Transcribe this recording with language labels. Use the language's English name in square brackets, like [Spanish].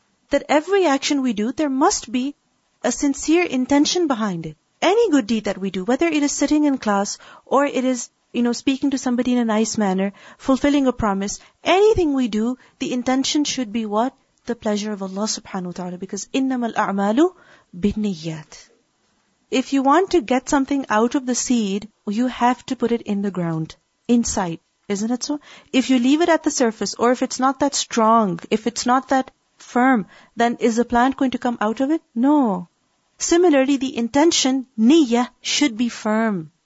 [English] That every action we do, there must be a sincere intention behind it. Any good deed that we do, whether it is sitting in class or it is, you know, speaking to somebody in a nice manner, fulfilling a promise, anything we do, the intention should be what? The pleasure of Allah subhanahu wa ta'ala. Because [Arabic] إِنَّمَا الْأَعْمَالُ بِالنِّيَّاتِ. [English] If you want to get something out of the seed, you have to put it in the ground, inside. Isn't it so? If you leave it at the surface, or if it's not that strong, if it's not that firm, then is the plant going to come out of it? No. Similarly, the intention, niyyah, should be firm.